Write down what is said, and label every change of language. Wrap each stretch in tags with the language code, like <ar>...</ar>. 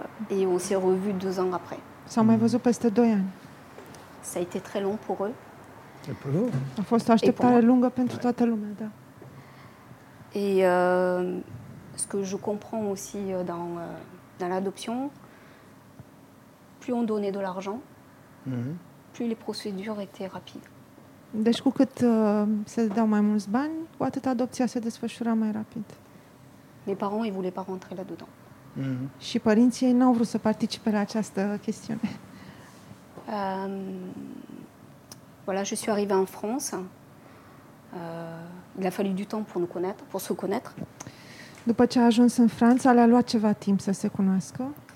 <fr>Et on s'est revus deux ans après.</fr> <ro>S-au mai văzut peste 2 ani.</ro> <fr>Ça a été très long pour eux. C'est pour vous.</fr> <ro>A fost o așteptare lungă pentru toată lumea, da.</ro> <fr>Et ce que je comprends aussi dans l'adoption, plus on donnait de l'argent, plus les procédures étaient rapides.</fr> <ro>Deci cu cât se dădeau mai mulți bani, cu atât adopția se desfășura mai rapid.</ro> <fr>Les parents, ils voulaient pas rentrer là-dedans.</fr> <ro>Și părinții ei n-au vrut să participe la această chestiune.</ro> <fr>Voilà, je suis arrivée en France. Il a fallu du temps pour nous connaître, pour se connaître.</fr> <ro>După ce a ajuns în Franța, le-a luat ceva timp să se cunoască.</ro>